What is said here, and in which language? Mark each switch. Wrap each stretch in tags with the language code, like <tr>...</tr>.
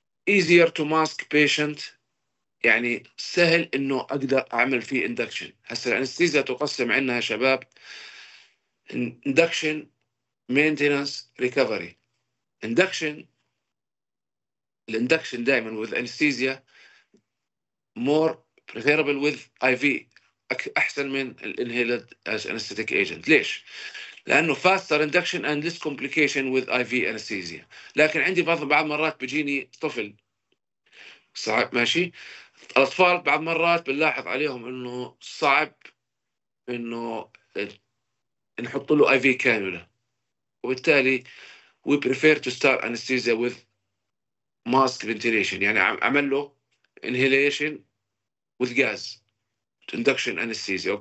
<en>easier to mask patient،</en> <ar>يعني سهل انه اقدر اعمل فيه induction. هسه الانستيزيا تقسم عندنا يا شباب induction maintenance recovery.</ar> <en>induction</en> <ar>الانداكشن دائما</ar> <en>with anesthesia more preferable with IV</en> <ar>احسن من الانهيلد</ar> <en>as anesthetic agent.</en> <ar>ليش؟ لانه</ar> <en>faster induction and less complication with IV anesthesia.</en> <ar>لكن عندي بعض مرات بيجيني طفل صعب ماشي، الأطفال بعض مرات بنلاحظ عليهم إنه صعب إنه نحط له IV كانولا، وبالتالي</ar> <en>we prefer to start anesthesia with mask ventilation،</en> <ar>يعني عمل له</ar> <en>inhalation with gas induction anesthesia.</en>